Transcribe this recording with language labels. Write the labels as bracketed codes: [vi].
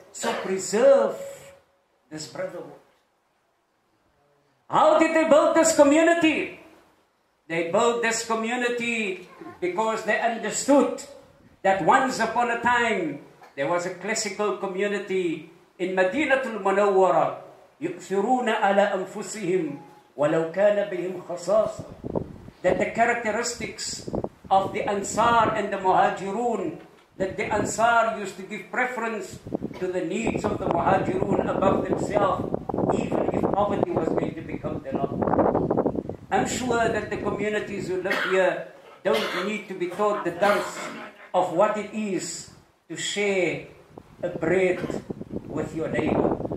[en] So preserve this brotherhood. How did they build this community? They built this community because they understood that once upon a time there was a classical community in مدينة المنورة. [ar] يؤثرون على أنفسهم ولو كان بهم خصاصة. [en] That the characteristics of the Ansar and the Muhajirun, that the Ansar used to give preference to the needs of the Muhajirun above themselves, even if poverty was going to become their lot. I'm sure that the communities who live here don't need to be taught the dars of what it is to share a bread with your neighbor.